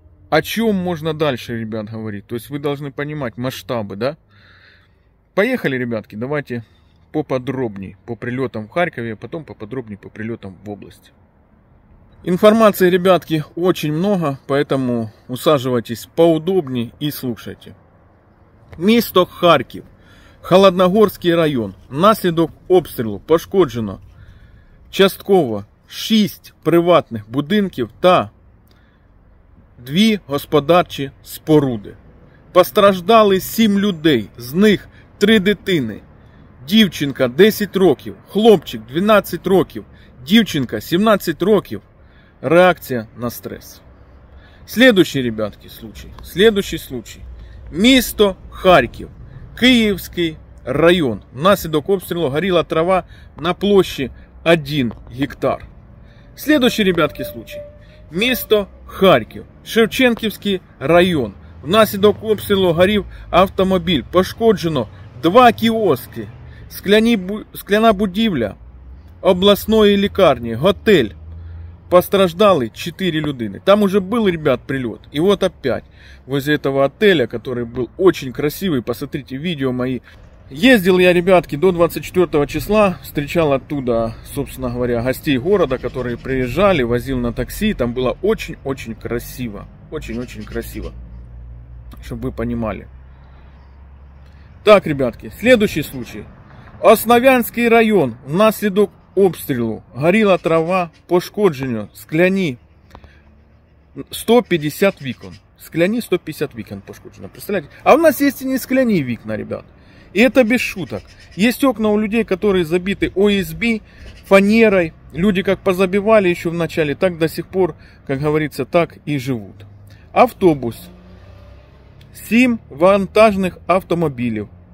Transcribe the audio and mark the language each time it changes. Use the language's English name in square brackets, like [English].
[Russian] О чем можно дальше, ребят, говорить? То есть вы должны понимать масштабы, да? Поехали, ребятки, давайте поподробнее по прилетам в Харькове, а потом поподробнее по прилетам в области. Информации, ребятки, очень много, поэтому усаживайтесь поудобнее и слушайте. [Ukrainian] Місто Харків, Холодногорський район. Наслідок обстрілу пошкоджено частково 6 приватних будинків та 2 господарчі споруди. Постраждали 7 людей, з них 3 дитини. Дівчинка 10 років, хлопчик 12 років, дівчинка 17 років. Реакція на стрес. Слідуючий, ребятки, случай. Слідуючий случай. Місто Харків, Київський район. Внаслідок обстрілу горіла трава на площі 1 гектар. Слідуючий, ребятки, случай. Місто Харків, Шевченківський район. Внаслідок обстрілу горів автомобіль. Пошкоджено 2 кіоски, скляна будівля, обласної лікарні, готель. Постраждали 4 людини. [Russian] Там уже был, ребят, прилет. И вот опять, возле этого отеля, который был очень красивый, посмотрите видео мои. Ездил я, ребятки, до 24 числа, встречал оттуда, собственно говоря, гостей города, которые приезжали, возил на такси. Там было очень-очень красиво. Очень-очень красиво. Чтобы вы понимали. Так, ребятки, следующий случай. [Ukrainian] Основянский район, наслідок обстрілу горіла трава, пошкодження скляні 150 вікон. [Russian] Скляні 150 вікон пошкоджено. Представляете? А у нас есть и не скляні вікна, ребят. И это без шуток. Есть окна у людей, которые забиты ОСБ, фанерой. Люди как позабивали еще в начале, так до сих пор, как говорится, так и живут. Автобус. 7 вантажных автомобилей.